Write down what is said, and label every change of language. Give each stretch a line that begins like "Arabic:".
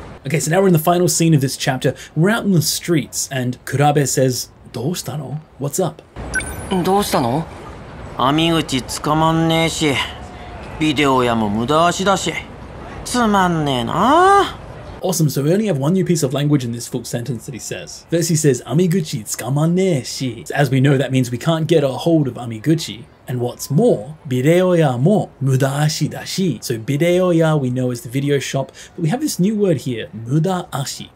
English: Okay, so now we're in the final scene of this chapter. We're out in the streets, and Kurabe says,
Japanese: どうしたの?
English: What's up?
Japanese: どうしたの? アミグチ捕まんねえし、ビデオ屋も無駄足だし、つまんねえな。
English: Awesome, so we only have one new piece of language in this full sentence that he says. First he says,
Japanese: Amiguchi tsukamanne shi.
English: As we know, that means we can't get a hold of Amiguchi. And what's more,
Japanese: bideo ya mo mudaashi dashi.
English: So bideo ya we know is the video shop. But we have this new word here, mudaashi.